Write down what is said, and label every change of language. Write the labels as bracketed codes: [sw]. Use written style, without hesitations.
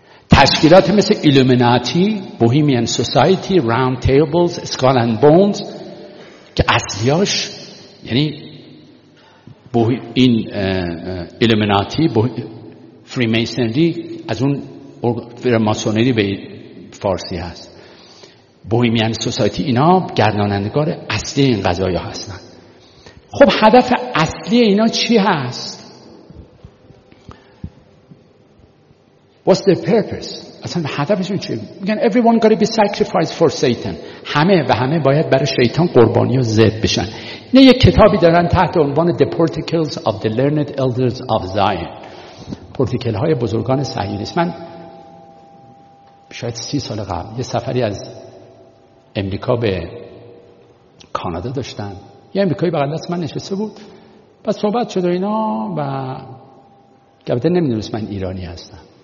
[fa] تشکیلات مثل ایلومیناتی، بوهیمین سوسایتی، راوند تیبلز، اسکال اند بونز که اصلیاش، یعنی این ایلومیناتی، فریمیسنری از اون فریماسونری به فارسی هست، بوهیمین سوسایتی، اینا گردانندگار اصلی این قضایا هستن. خب هدف اصلی اینا چی هست؟ [en] What's the purpose [fa] اصلا هدفشون چیه؟ میگن [en] everyone gotta be sacrificed for Satan. [fa] همه و همه باید برای شیطان قربانی و ذبح بشن. نه یک کتابی دارن تحت عنوان The Portals of the Learned Elders of Zion. پورتیکل های بزرگان صهیونیست. من شاید 30 سال قبل یه سفری از امریکا به کانادا داشتم. یه امریکایی بغل دست من نشسته بود. بعد صحبت شد و اینا و البته نمیدونست من ایرانی هستم.